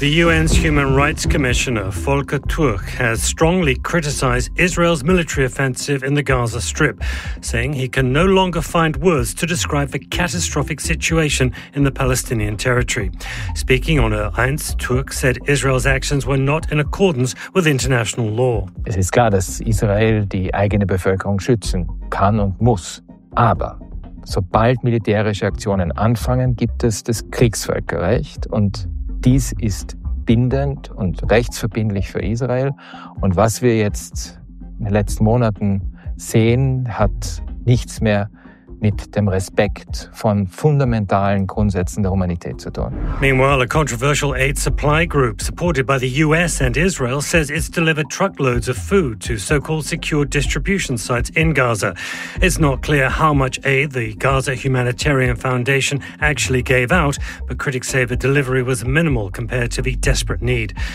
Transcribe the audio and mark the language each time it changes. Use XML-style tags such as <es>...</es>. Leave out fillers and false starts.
<en>The UN's Human Rights Commissioner, Volker Türk, has strongly criticized Israel's military offensive in the Gaza Strip, saying he can no longer find words to describe the catastrophic situation in the Palestinian territory. Speaking on Ur 1, Türk said Israel's actions were not in accordance with international law.</en> <de>Es ist klar, dass Israel die eigene Bevölkerung schützen kann und muss. Aber sobald militärische Aktionen anfangen, gibt es das Kriegsvölkerrecht und dies ist bindend und rechtsverbindlich für Israel. Und was wir jetzt in den letzten Monaten sehen, hat nichts mehr mit dem Respekt von fundamentalen Grundsätzen der Humanität zu tun.</de> <en>Meanwhile, a controversial aid supply group supported by the US and Israel says it's delivered truckloads of food to so-called secure distribution sites in Gaza. It's not clear how much aid the Gaza Humanitarian Foundation actually gave out, but critics say the delivery was minimal compared to the desperate need.</en>